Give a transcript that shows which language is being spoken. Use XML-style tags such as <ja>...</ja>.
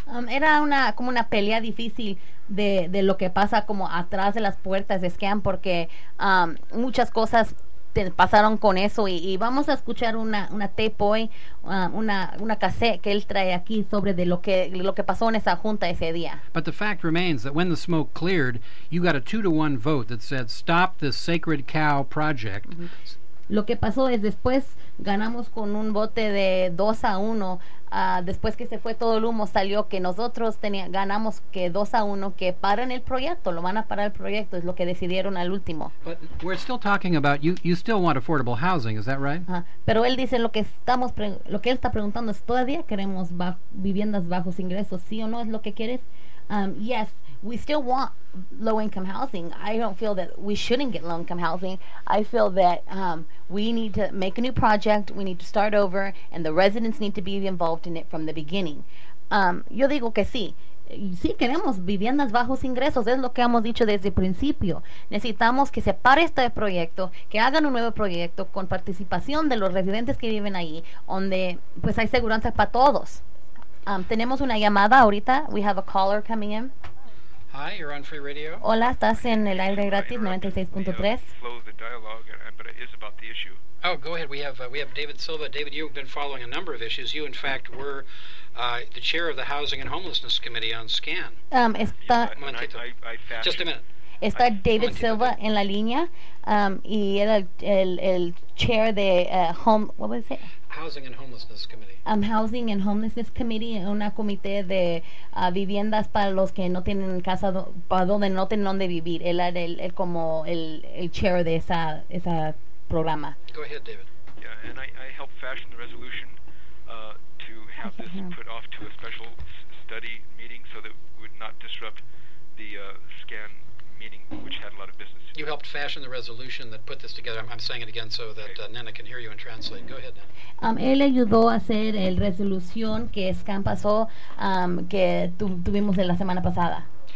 <es>Era una como una pelea difícil de lo que pasa como atrás de las puertas de Scan, porque muchas cosas pasaron con eso, y vamos a escuchar una tape hoy, una cassette que él trae aquí sobre de lo que pasó en esa junta ese día.</es> <en>But the fact remains that when the smoke cleared, you got a 2-1 vote that said stop this sacred cow project.</en> <es>Lo que pasó es después ganamos con un voto de 2-1. Después que se fue todo el humo, salió que nosotros ganamos que 2-1, que paran el proyecto, lo van a parar el proyecto, es lo que decidieron al último.</es> <en>But we're still talking about you still want affordable housing, is that right?</en> <es>Pero él dice lo que él está preguntando es, ¿todavía queremos viviendas bajos ingresos, sí o no? ¿Es lo que quieres?</es> <en>Yes, we still want low-income housing. I don't feel that we shouldn't get low-income housing. I feel that we need to make a new project, we need to start over, and the residents need to be involved in it from the beginning.</en> <es>Yo digo que sí. Sí queremos viviendas bajos ingresos, es lo que hemos dicho desde el principio. Necesitamos que se pare este proyecto, que hagan un nuevo proyecto con participación de los residentes que viven ahí, donde pues hay seguridad para todos. Tenemos una llamada ahorita.</es> <en>We have a caller coming in. Hi, you're on free radio.</en> <es>Hola, estás en el aire gratis 96.3.</es> <en>Flow the dialogue, but it is about the issue. Oh, go ahead. We have David Silva. David, you've been following a number of issues. You, in fact, were the chair of the Housing and Homelessness Committee on SCAN. Just a minute.</en> <es>Está David Silva en la línea, y era el chair de home.</es> <en>What was it? Housing and Homelessness Committee.</en> <es>Housing and Homelessness Committee, una comité de viviendas para los que no tienen casa, para donde no tienen donde vivir. Él era el como el chair de esa programa.</es> <en>Go ahead, David. Yeah, and I helped fashion the resolution to have this put off to a special study meeting so that we would not disrupt the scan meeting, which had a lot of business. You helped fashion the resolution that put this together. I'm saying it again so that Nena can hear you and translate. Go ahead, Nena.</en> <es>Él ayudó a hacer el resolución que Scan pasó, que tuvimos de la semana pasada.</es>